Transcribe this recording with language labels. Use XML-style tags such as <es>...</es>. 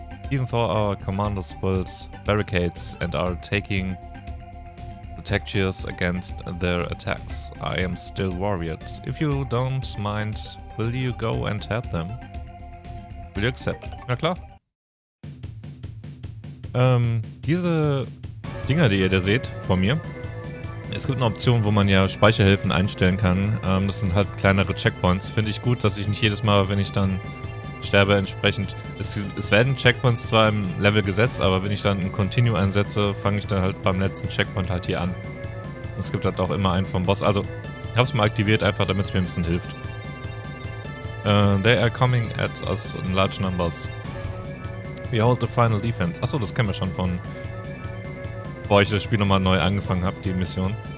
<en>Even though our commanders built barricades and are taking protectures against their attacks, I am still worried. If you don't mind, will you go and help them? Will you accept?</en> <de>Na klar. Diese Dinger, die ihr da seht vor mir, es gibt eine Option, wo man ja Speicherhilfen einstellen kann. Das sind halt kleinere Checkpoints. Finde ich gut, dass ich nicht jedes Mal, wenn ich dann sterbe entsprechend. Es werden Checkpoints zwar im Level gesetzt, aber wenn ich dann ein Continue einsetze, fange ich dann halt beim letzten Checkpoint halt hier an. Und es gibt halt auch immer einen vom Boss. Also, ich habe es mal aktiviert, einfach damit es mir ein bisschen hilft.</de> <en>They are coming at us in large numbers. We hold the final defense.</en> <de>Achso, das kennen wir schon von, bevor ich das Spiel nochmal neu angefangen habe, die Mission.</de>